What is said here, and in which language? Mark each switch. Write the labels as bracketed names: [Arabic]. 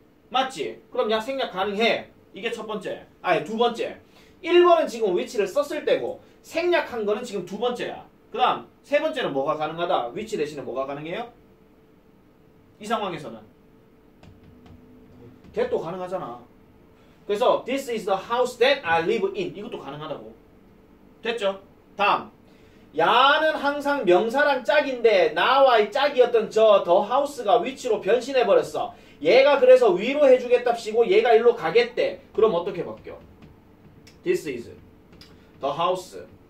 [Korean] 맞지? 그럼 야 생략 가능해. 이게 첫 번째. 아니, 두 번째. 1번은 지금 위치를 썼을 때고 생략한 거는 지금 두 번째야. 그 다음 세 번째는 뭐가 가능하다? 위치 대신에 뭐가 가능해요? 이 상황에서는. that도 가능하잖아. 그래서 [English] this is the house that I live in. [Korean] 이것도 가능하다고. 됐죠? 다음, 야는 항상 명사랑 짝인데 나와의 짝이었던 저 더 하우스가 위치로 변신해버렸어. 얘가 그래서 위로 해주겠답시고 얘가 일로 가겠대. 그럼 어떻게 바뀌어? [English] This is the house.